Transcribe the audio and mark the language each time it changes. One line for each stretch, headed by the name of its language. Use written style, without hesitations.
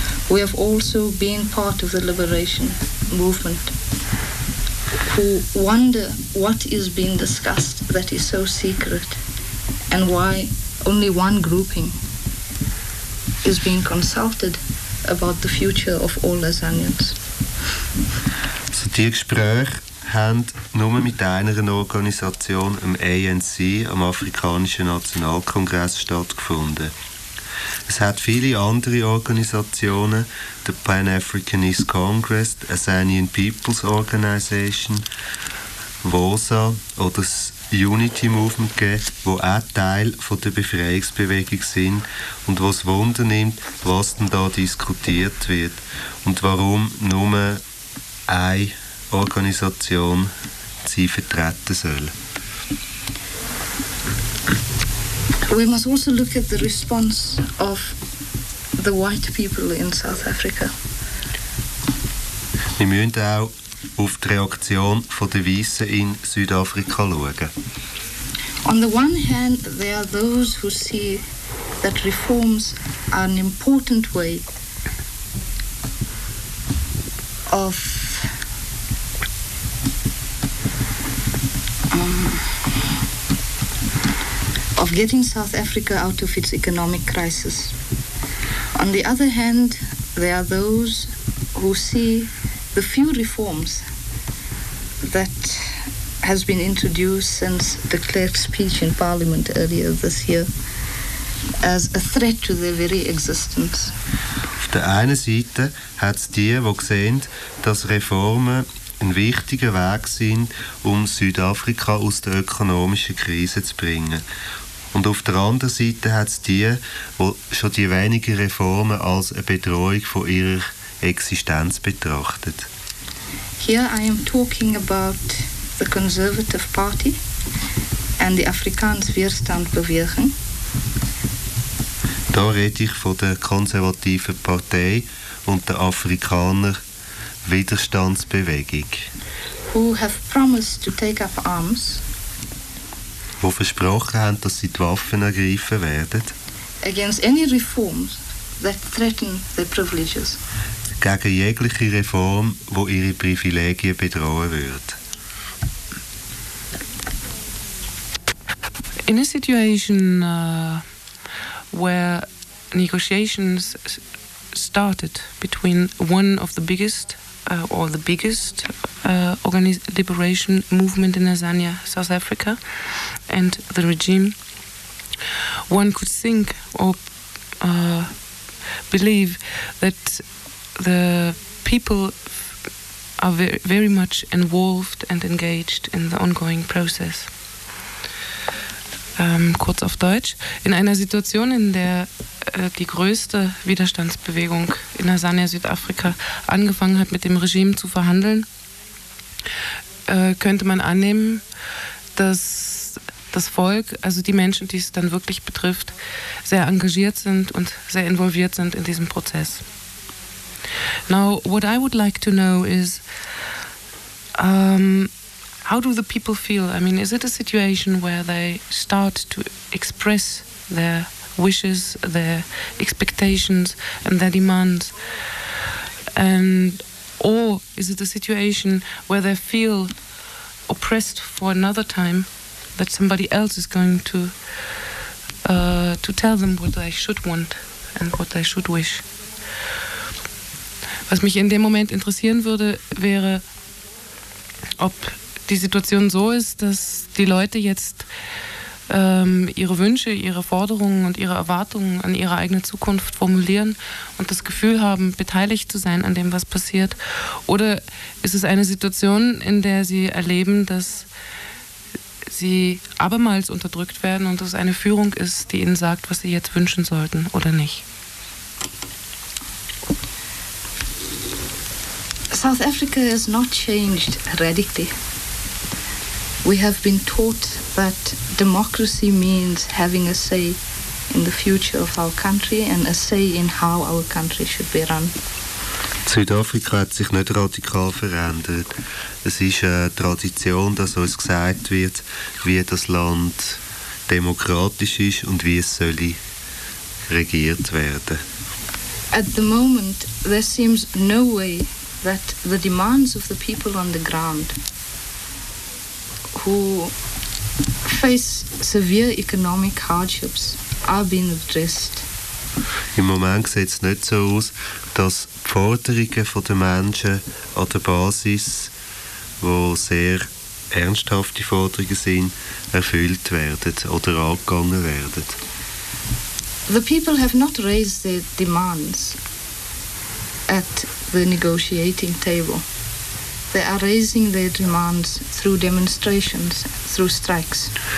English: We have also been part of the Liberation Movement, who wonder what is being discussed that is so secret and why only one grouping is being consulted about the future of all Lasagnians.
German: So die Gespräche haben nur mit einer Organisation, dem ANC, am Afrikanischen Nationalkongress stattgefunden. Es hat viele andere Organisationen, der Pan-Africanist Congress, die Asanian People's Organization, WOSA oder das Unity Movement gegeben, die auch Teil von der Befreiungsbewegung sind und was Wunder nimmt, was denn da diskutiert wird und warum nur eine Organisation sie vertreten soll.
English: We must also look at the response of the white people in South Africa.
German: Wir müssen auch auf die Reaktion der Weißen in Südafrika schauen.
English: On the one hand, there are those who see that reforms are an important way of getting South Africa out of its economic crisis. On the other hand, there are those who see the few reforms that has been introduced since the Klerk's speech in Parliament earlier this year as a threat to their very existence.
German: Auf der einen Seite hat es die, die sehen, dass Reformen ein wichtiger Weg sind, um Südafrika aus der ökonomischen Krise zu bringen. Und auf der anderen Seite hat es die, die schon die wenigen Reformen als eine Bedrohung von ihrer Existenz betrachtet.
English: Here I am talking about the Conservative Party and the Afrikaans Weerstandbeweging.
German: Da rede ich von der Konservativen Partei und der Afrikaner Widerstandsbewegung.
English: Who have promised to take up arms.
German: Die versprochen haben, dass sie die Waffen ergreifen werden.
English: Against any reforms that threaten their privileges.
German: Gegen jegliche Reform, die ihre Privilegien bedrohen würde.
English: In a situation where negotiations started between one of the biggest or the biggest liberation movement in Lasagna, South Africa, and the regime, one could think or believe that the people are very much involved and engaged in the ongoing process.
German: Kurz auf Deutsch, in einer Situation, in der die größte Widerstandsbewegung in Lasagna, Südafrika, angefangen hat, mit dem Regime zu verhandeln, könnte man annehmen, dass das Volk, also die Menschen, die es dann wirklich betrifft, sehr engagiert sind und sehr involviert sind in diesem Prozess.
English: Now, what I would like to know is, how do the people feel? I mean, is it a situation where they start to express their wishes, their expectations and their demands? Or is it a situation where they feel oppressed for another time, that somebody else is going to tell them what they should want and what they should wish?
German: Was mich in dem Moment interessieren würde, wäre, ob die Situation so ist, dass die Leute jetzt ihre Wünsche, ihre Forderungen und ihre Erwartungen an ihre eigene Zukunft formulieren und das Gefühl haben, beteiligt zu sein an dem, was passiert. Oder ist es eine Situation, in der sie erleben, dass sie abermals unterdrückt werden und es eine Führung ist, die ihnen sagt, was sie jetzt wünschen sollten oder nicht?
English: South Africa has not changed radically. We have been taught that democracy means having a say in the future of our country and a say in how our country should be run.
German: Südafrika hat sich nicht radikal verändert. Es ist eine Tradition, dass uns gesagt wird, wie das Land demokratisch ist und wie es soll regiert werden.
English: At the moment, there seems no way that the demands of the people on the ground, who face severe economic hardships, are being addressed.
German: Im Moment sieht es nicht so aus, dass die Forderungen der Menschen an der Basis, wo sehr ernsthafte Forderungen sind, erfüllt werden oder angegangen werden.
English: The people have not raised their demands at the negotiating table. They are raising their demands through demonstrations, through strikes.